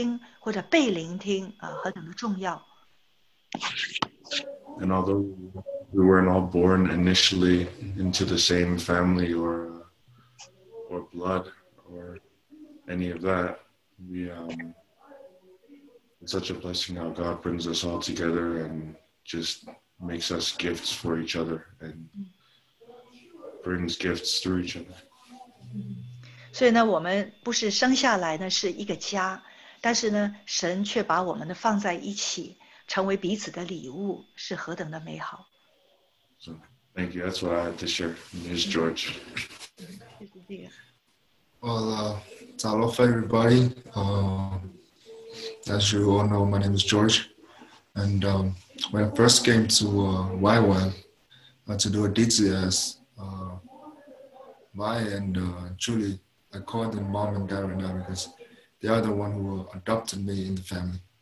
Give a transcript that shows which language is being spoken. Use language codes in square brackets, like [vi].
[zh] 然后呢，我右边的Tiana，我的好朋友，从她身上呢，我就学到什么事呢？去聆听或者被聆听，何等的重要。 [en] And although we weren't all born initially into the same family or blood or any of that, it's such a blessing how God brings us all together and just makes us gifts for each other and brings gifts through each other. [zh] 所以呢，我们不是生下来呢是一个家，但是呢，神却把我们呢放在一起。 成为彼此的礼物是何等的美好。 [en] So, Thank you. That's what I had to share. Here's George. Well, aloha, everybody. As you all know, my name is George. And when I first came to YWAM to do a DTS, Mai and Julie, I called them mom and dad right now because they are the one who adopted me in the family.